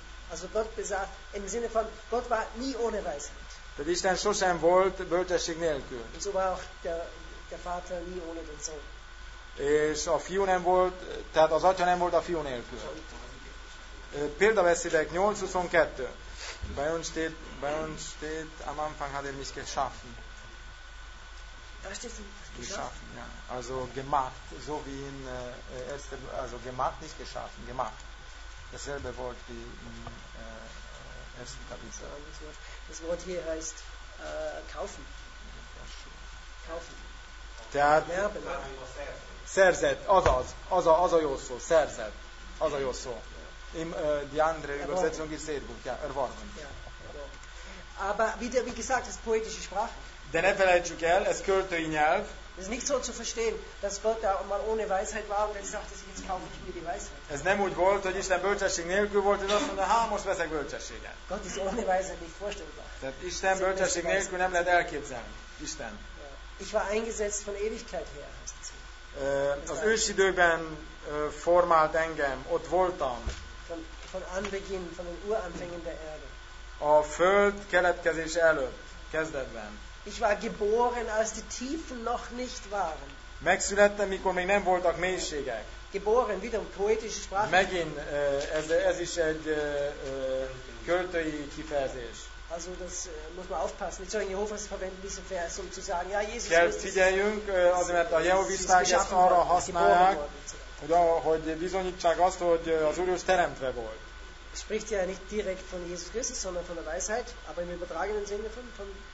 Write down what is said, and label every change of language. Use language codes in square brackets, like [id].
[de] Also Gott besagt, im Sinne von Gott war nie ohne Weisheit. [hu] Tehát Isten sosem volt bölcsesség nélkül. [de] Und so war auch der Vater nie ohne den Sohn. [hu] És a fiú nem volt, tehát az atya nem volt a fiú nélkül. Példaveszélek 8.22. [de] Bei uns steht am Anfang hat mich geschaffen. Da steht geschaffen, ja. Also gemacht, so wie in erste, also gemacht, nicht geschaffen, gemacht. Dasselbe Wort wie im ersten Kapitel. Das Wort hier heißt kaufen. Kaufen. [hu] Tehát szerzett, az a jó szó, szerzett. Az a jó szó. [de] Im Diandre Übersetzung ist Seedbuch, ja, erworben. Aber wie gesagt, das ist poetische Sprache. [hu] De ne felejtsük el, ez költői nyelv. [de] Es ist nicht so zu verstehen, dass Gott da mal ohne Weisheit war und dann sagte sich, jetzt kaufe ich mir die Weisheit. [hu] Ez nem úgy volt, hogy Isten bölcsesség nélkül volt, és azt mondta, ha most veszek bölcsességet. [de] Gott ist ohne Weisheit nicht vorstellbar. [hu] Tehát Isten bölcsesség nélkül nem lehet elképzelni. Isten. [de] Ich war eingesetzt von Ewigkeit her. [hu] Az ősidőben formált engem, ott voltam. [de] Von Anbeginn, von den Uranfängen der Erde. [hu] A Föld keletkezés előtt, kezdetben. [de] Ich war geboren, als die Tiefen noch nicht waren. [hu] Megszülettem, mikor még nem voltak mélységek. [de] Geboren, wieder poetische Sprache. [hu] Megint, ez is egy költői kifejezés. [de] Also das muss man aufpassen. Die Zeugen Jehovas verwenden diesen Vers, um zu sagen, ja, Jesus [hu] kell ist figyeljünk, azért a Jehovisták ezt arra használják, hogy bizonyítsák azt, hogy az Úr Jézus teremtve volt. [de] Spricht ja nicht direkt von Jesus Christus, sondern von der Weisheit, aber im übertragenen Sinne von